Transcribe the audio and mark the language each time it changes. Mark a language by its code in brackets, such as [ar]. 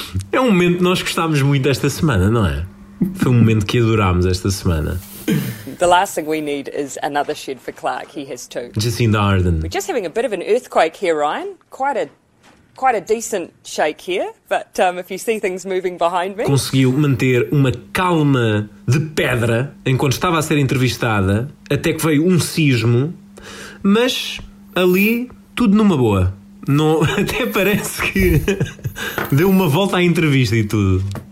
[pt] É um momento que nós gostámos muito esta semana, não é? Foi um momento que adorámos esta semana. [en] The last thing we need is another shed for Clark. He has two. Jacinda Ardern. We're just having a bit of an earthquake here, Ryan. Quite a decent shake here, but if you see things moving behind me. [pt] Conseguiu manter uma calma de pedra enquanto estava a ser entrevistada, até que veio um sismo, mas ali tudo numa boa. Não, até parece que deu uma volta à entrevista e tudo.